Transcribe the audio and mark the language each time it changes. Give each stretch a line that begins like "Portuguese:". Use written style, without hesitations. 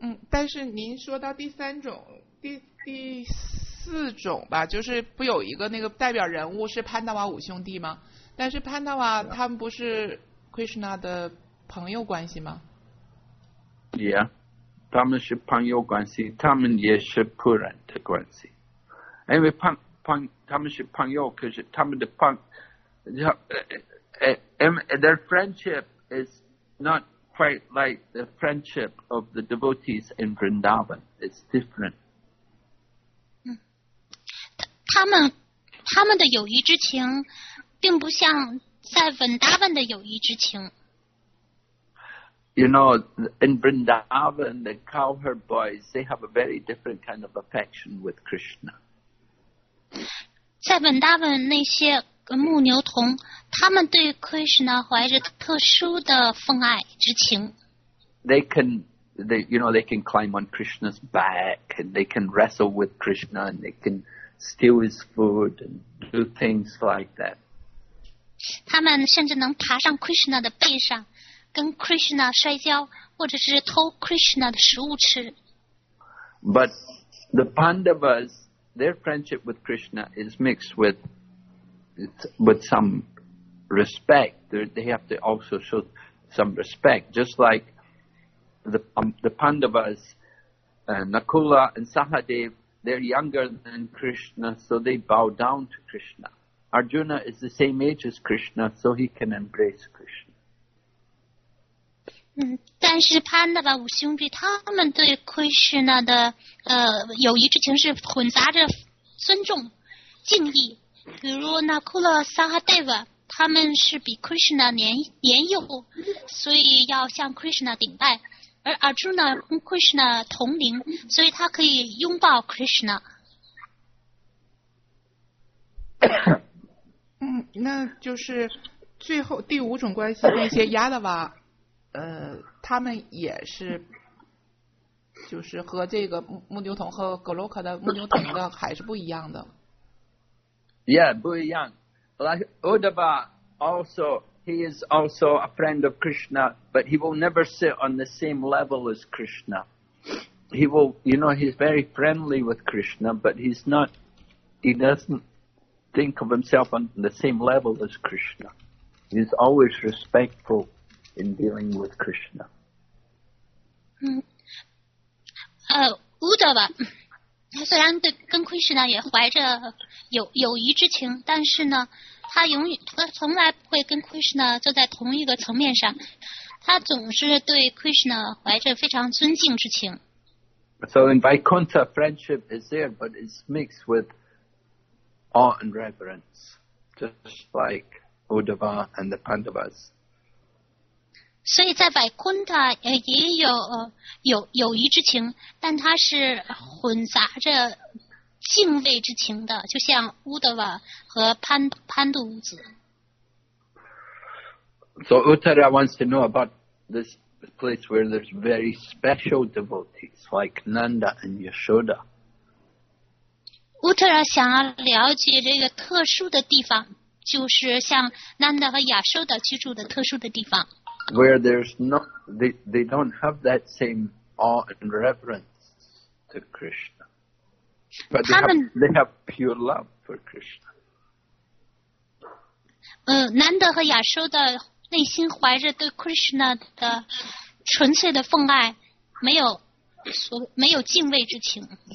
Chinese: 但是您说到第三种、第四种吧，就是不有一个那个代表人物是潘达瓦五兄弟吗？但是潘达瓦他们不是 Krishna 的朋友关系吗？Yeah， 他们是朋友关系，他们也是仆人的关系。因为他们是朋友，可是他们的
English: their friendship is not quite like the friendship of the devotees in Vrindavan. It's different.
Chinese: 他们的友谊之情，并不像在 Vrindavan 的友谊之情。
English: You know, in Vrindavan, the cowherd boys they have a very different kind of affection with Krishna.
Chinese: 在本大本那些牧牛童，他们对 Krishna 怀着特殊的奉爱之情。
English: They can climb on Krishna's back, and they can wrestle with Krishna, and they can steal his food and do things like that.
Chinese: 他们甚至能爬上 Krishna 的背上，跟 Krishna 摔跤，或者是偷 Krishna 的食物吃。
English: But the Pandavas. Their friendship with Krishna is mixed with some respect. They have to also show some respect. Just like the Pandavas, Nakula and Sahadev, they're younger than Krishna, so they bow down to Krishna. Arjuna is the same age as Krishna, so he can embrace Krishna.
Chinese: 但是潘达瓦五兄弟他们对 Krishna 的友谊之情是混杂着尊重、敬意。比如 Nakula Sahadeva 他们是比 Krishna 年幼，所以要向 Krishna 顶拜；而 Arjuna 跟 Krishna 同龄，所以他可以拥抱 Krishna。那就是最后第五种关系那些亚达瓦。他们也是，就是和这个牧牛童和格洛克的牧牛童的还是不一样的。 Yeah, 不一样。
English: Like Uddhava also, he is also a friend of Krishna, but he will never sit on the same level as Krishna. He will, you know, he's very friendly with Krishna, but he's not, he doesn't think of himself on the same level as Krishna. He's always respectful. In dealing with Krishna.
Chinese: Uddhava, 虽然对跟 Krishna 也怀着友谊之情，但是呢，他从来不会跟 Krishna 坐在同一个层面上，他总是对 Krishna 怀着非常尊敬之情。
English: So in Vaikuntha, friendship is there, but it's mixed with awe and reverence, just like Uddhava and the Pandavas.
Chinese: 所以在百昆塔也有友谊之情，但它是混杂着敬畏之情的，就像乌德瓦和潘度五子。
English: So Uttara wants to know about this place where there's very special devotees like Nanda and Yashoda.
Chinese: Uttara 想要了解这个特殊的地方，就是像 Nanda 和 Yashoda 居住的特殊的地方。
English: Where there's not, they don't have that same awe and reverence to Krishna. But they have pure love for Krishna.
Chinese: Nanda 和 Yashoda 内心怀着对 Krishna 的纯粹的奉爱，没有敬畏之情。